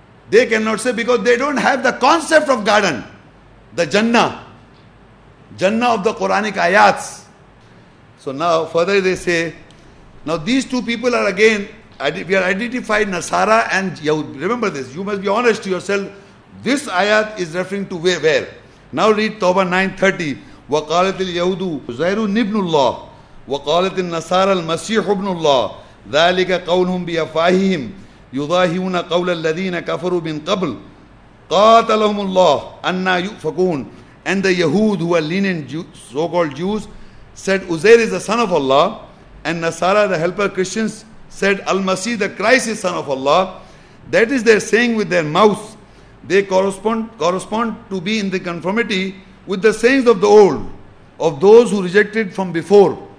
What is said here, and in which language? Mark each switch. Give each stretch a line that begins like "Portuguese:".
English: They cannot say because they don't have the concept of garden. The Jannah. Jannah of the Quranic ayats. So now further they say, now these two people are again, we are identified Nasara and Yahud. Remember this, you must be honest to yourself. This ayat is referring to where? Now read Tawbah 9:30.
Arabic: وقالت اليهود زهر ابن الله وقالت النصارى المسيح ابن الله ذلك قولهم بأفواههم يضاهون قول الذين كفروا من قبل قاتلهم الله أنى يؤفكون.
English: And the Yahud, who are lenient so-called Jews, said Uzair is the son of Allah, and Nasara, the helper Christians, said Al-Masih, the Christ, is son of Allah. That is their saying with their mouths. They correspond to be in the conformity with the sayings of the old, of those who rejected from before.